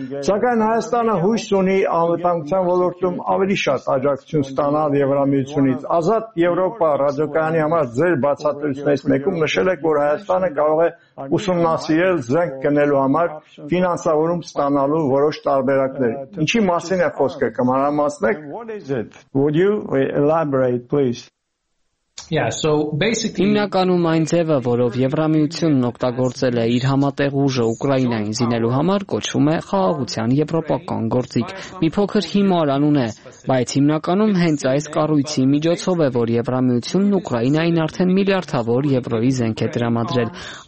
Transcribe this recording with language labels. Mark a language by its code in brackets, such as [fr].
[hy] Սակայն Հայաստանը հույս ունի անվտանգության ոլորտում ավելի շատ աջակցություն ստանալ Եվրամիությունից։ Ազատ Եվրոպա ռադիոկայանի համար ձեր բացատրություններից մեկում նշել եք, որ Հայաստանը կարող է ուսումնասիրել զենք գնելու համար ֆինանսավորում ստանալու որոշ տարբերակներ։ Ինչի մասին է խոսքը, կհամարամասնեք։ [en] Would you elaborate, please? Yeah, so basically [hy] հիմնականում այն ձևը, որով Եվրամիությունն օգտագործել է իր համատեղ ուժը Ուկրաինային զինելու համար, կոչվում է խաղաղության եվրոպական գործիք։ Մի փոքր հիմար անուն է, բայց հիմնականում հենց այս կառույցի միջոցով է, որ Եվրամիությունն Ուկրաինային արդեն միլիարդավոր եվրոյի զենք է դրամադրել։